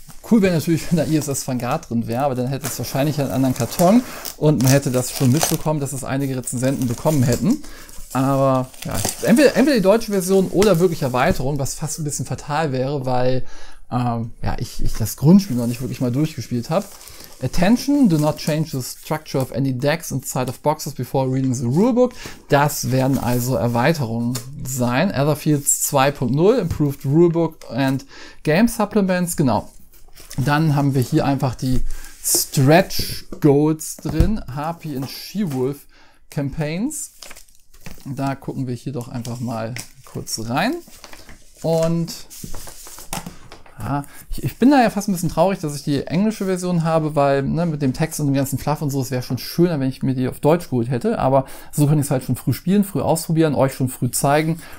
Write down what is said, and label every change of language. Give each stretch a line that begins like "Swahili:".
German: Cool wäre natürlich, wenn da ISS Vanguard drin wäre, aber dann hätte es wahrscheinlich einen anderen Karton und man hätte das schon mitbekommen, dass es einige Rezensenten bekommen hätten. Aber ja, entweder die deutsche Version oder wirklich Erweiterung, was fast ein bisschen fatal wäre, weil ja, ich das Grundspiel noch nicht wirklich mal durchgespielt habe.
English: Attention, do not change the structure of any decks inside of boxes before reading the rulebook.
German: Das werden also Erweiterungen sein.
English: Etherfields 2.0, improved rulebook and game supplements.
German: Genau. Dann haben wir hier einfach die Stretch Goals drin.
English: Harpy and She-Wolf Campaigns.
German: Da gucken wir hier doch einfach mal kurz rein. Und ja, ich bin da ja fast ein bisschen traurig, dass ich die englische Version habe, weil ne, mit dem Text und dem ganzen Fluff und so, es wäre schon schöner, wenn ich mir die auf Deutsch geholt hätte. Aber so kann ich es halt schon früh spielen, früh ausprobieren, euch schon früh zeigen.